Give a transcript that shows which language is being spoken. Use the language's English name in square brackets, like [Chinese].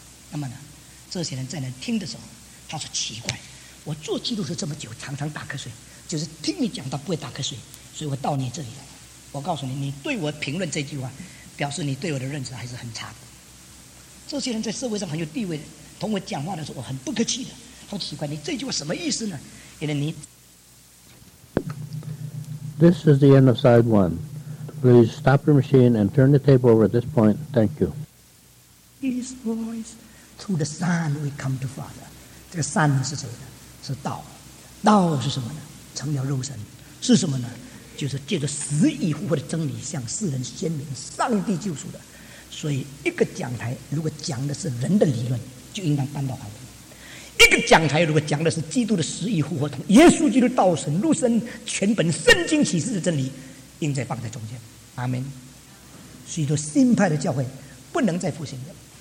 [Chinese] 那么呢这些人在那听的时候，他说奇怪，我做基督徒这么久常常打瞌睡，就是听你讲到不会打瞌睡，所以我到你这里来。我告诉你，你对我评论这句话表示你对我的认识还是很差的。这些人在社会上很有地位的，同我讲话的时候我很不客气的，好奇怪你这句话什么意思呢，因为你 [English] This is the end of side one. Please stop your machine and turn the tape over at this point. Thank you. His voice through the Son we come to Father. [Chinese] 这个 Son 是谁的，是道。道是什么呢，成了肉身。是什么呢，就是借着死已复活的真理向世人宣明上帝救赎的。所以一个讲台如果讲的是人的理论就应当搬到旁边，一个讲台如果讲的是基督的死义复活同耶稣基督道神肉身全本圣经启示的真理，应该放在中间。阿们。许多新派的教会不能再复兴了，